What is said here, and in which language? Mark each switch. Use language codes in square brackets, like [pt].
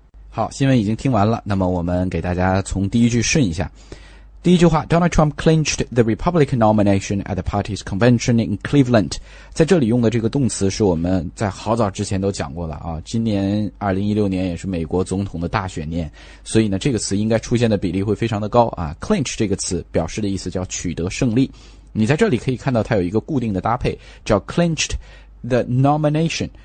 [zh] 好，新闻已经听完了，那么我们给大家从第一句顺一下。第一句话 [en] ,Donald Trump clinched the Republican nomination at the party's convention in Cleveland. [zh] 在这里用的这个动词是我们在好早之前都讲过的啊，今年2016年也是美国总统的大选年，所以呢这个词应该出现的比例会非常的高啊。 Clinch 这个词表示的意思叫取得胜利。你在这里可以看到它有一个固定的搭配叫 [en] clinched the nomination。